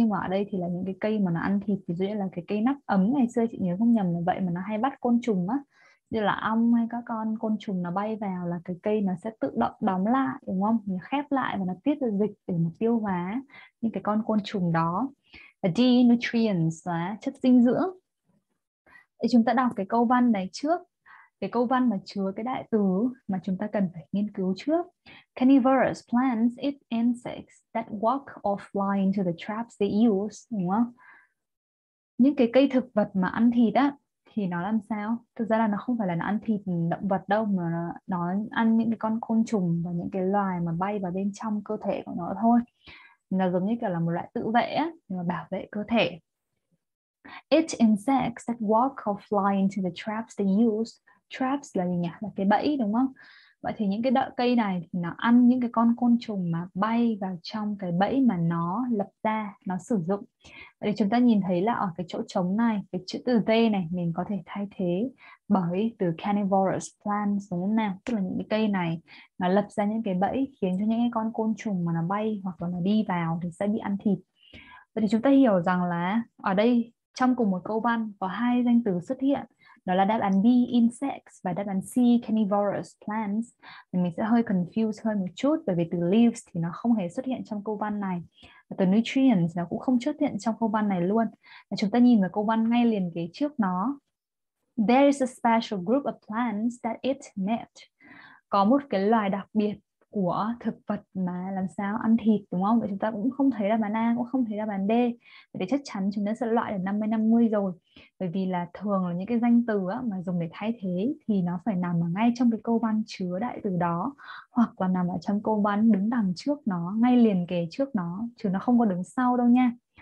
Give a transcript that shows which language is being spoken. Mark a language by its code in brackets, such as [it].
[vi] Nhưng mà ở đây thì là những cái cây mà nó ăn thịt, ví dụ như là cái cây nắp ấm ngày xưa, chị nhớ không nhầm là vậy, mà nó hay bắt côn trùng á, như là ong hay các con côn trùng nó bay vào là cái cây nó sẽ tự động đóng lại, đúng không? Nó khép lại và nó tiết được dịch để mà tiêu hóa những cái con côn trùng đó. Và D, nutrients là chất dinh dưỡng. Thì chúng ta đọc cái câu văn này trước, cái câu văn mà chứa cái đại từ mà chúng ta cần phải nghiên cứu trước. [en] Carnivorous plants eat insects that walk or fly into the traps they use, [vi] đúng không? Những cái cây thực vật mà ăn thịt á thì nó làm sao? Thực ra là nó không phải là nó ăn thịt động vật đâu, mà nó ăn những cái con côn trùng và những cái loài mà bay vào bên trong cơ thể của nó thôi. Nó giống như kiểu là một loại tự vệ á, mà bảo vệ cơ thể. [en] Eat insects that walk or fly into the traps they use. [vi] Traps là gì nhỉ? Là cái bẫy, đúng không? Vậy thì những cái đợt cây này thì nó ăn những cái con côn trùng mà bay vào trong cái bẫy mà nó lập ra, nó sử dụng. Vậy thì chúng ta nhìn thấy là ở cái chỗ trống này, cái chữ từ they này mình có thể thay thế bởi từ carnivorous plants, đúng không nào? Tức là những cái cây này nó lập ra những cái bẫy khiến cho những cái con côn trùng mà nó bay hoặc là nó đi vào thì sẽ bị ăn thịt. Vậy thì chúng ta hiểu rằng là ở đây trong cùng một câu văn có hai danh từ xuất hiện. Đó là đáp án B, insects, và đáp án C, carnivorous plants. Thì mình sẽ hơi confused hơn một chút bởi vì từ leaves thì nó không hề xuất hiện trong câu văn này. Và từ nutrients nó cũng không xuất hiện trong câu văn này luôn. Và chúng ta nhìn vào câu văn ngay liền kế trước nó. [en] There is a special group of plants that eat meat. [vi] Có một cái loài đặc biệt của thực vật mà làm sao ăn thịt, đúng không? Vậy chúng ta cũng không thấy đáp án A, cũng không thấy đáp án D. Vậy thì chắc chắn chúng ta sẽ loại được 50-50 rồi. Bởi vì là thường là những cái danh từ á, mà dùng để thay thế thì nó phải nằm ở ngay trong cái câu văn chứa đại từ đó, hoặc là nằm ở trong câu văn đứng đằng trước nó, ngay liền kề trước nó, chứ nó không có đứng sau đâu nha.